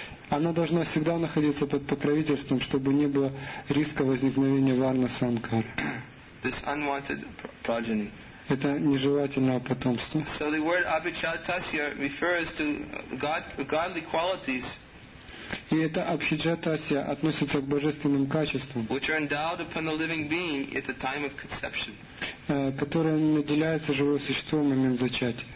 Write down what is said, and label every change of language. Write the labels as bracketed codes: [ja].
[ru] Она должна всегда находиться под покровительством, чтобы не было риска возникновения варна-санкары. Это нежелательное потомство. [en] So the word abhijatasya refers to godly qualities. [ru] И это абхиджатасья относится к божественным качествам, которые наделяются живое существо в момент зачатия.